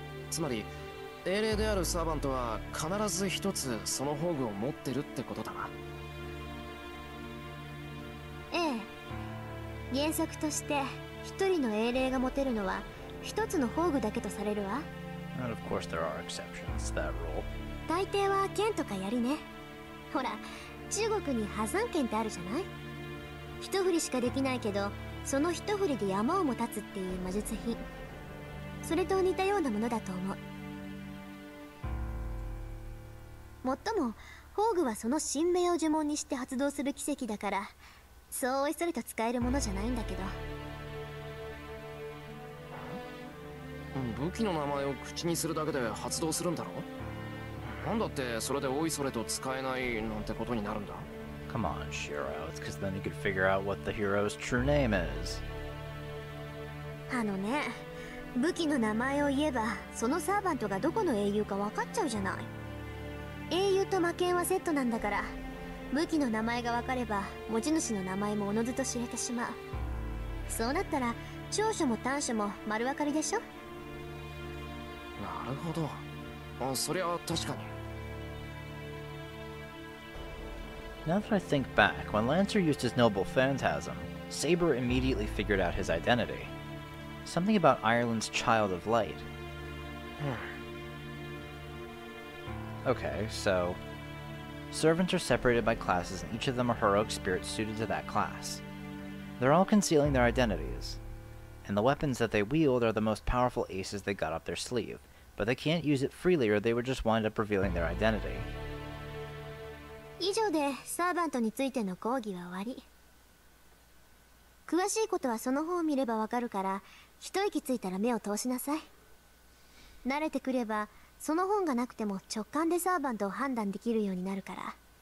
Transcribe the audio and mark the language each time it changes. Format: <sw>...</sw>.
<ja>つまり、英霊であるサーヴァントは必ず一つその宝具を持ってるってことだな。ええ。原則として、一人の英霊が持てるのは一つの宝具だけとされるわ。</ja> <en>And of course there are exceptions to that rule.</en> <ja>大抵は剣とか槍ね。ほら、中国に破山剣ってあるじゃない？一振りしかできないけど、その一振りで山をも立つっていう魔術品。それと似たようなものだと思う。もっとも、宝具はその神明を呪文にして発動する奇跡だから、そうおいそれと使えるものじゃないんだけど。武器の名前を口にするだけで発動するんだろ？なんだってそれでおいそれと使えないなんてことになるんだ？</ja> <en>Come on, Shiro. It's because then you could figure out what the hero's true name is.</en> <ja>あのね、武器の名前を言えば、そのサーヴァントがどこの英雄か分かっちゃうじゃない。英雄と魔剣はセットなんだから、武器の名前が分かれば、持ち主の名前もおのずと知れてしまう。そうなったら、長所も短所も丸分かりでしょ？なるほど。あ、そりゃ確かに。</ja> <en>Now that I think back, when Lancer used his noble phantasm, Saber immediately figured out his identity. Something about Ireland's Child of Light. Okay, so... Servants are separated by classes, and each of them are heroic spirits suited to that class. They're all concealing their identities. And the weapons that they wield are the most powerful aces they got up their sleeve, but they can't use it freely or they would just wind up revealing their identity.</en> <ja>以上でサーヴァントについての講義は終わり。詳しいことはその本を見ればわかるから、一息ついたら目を通しなさい。慣れてくればその本がなくても直感でサーヴァントを判断できるようになるから。</ja>